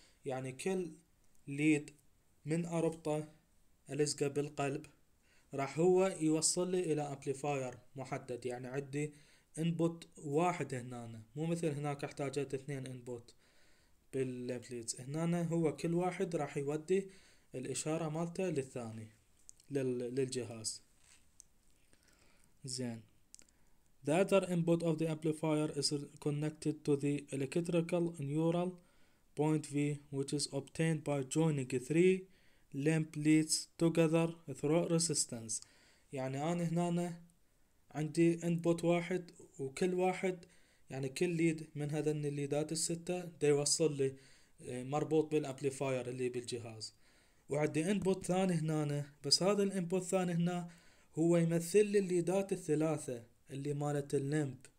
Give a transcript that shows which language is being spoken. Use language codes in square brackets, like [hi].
[ar] يعني كل ليد من اربطه الزقه بالقلب راح هو يوصل لي الى امبليفاير محدد، يعني عندي انبوت واحد هنا، مو مثل هناك احتاجت اثنين انبوت بالليبليتس. هنا هو كل واحد راح يودي الاشارة مالته للثاني للجهاز. [en] زين، the other input of the amplifier is connected to the electrical neural point V which is obtained by joining three lamp leads together through resistance. [ar] يعني انا هنا عندي انبوت واحد وكل واحد يعني كل ليد من هذين الليدات الستة دا يوصل لي مربوط بالأمبليفاير اللي بالجهاز، وعندي انبوت ثاني هنا، بس هذا الانبوت الثاني هنا هو يمثل لي الليدات الثلاثة اللي مالت اللمب.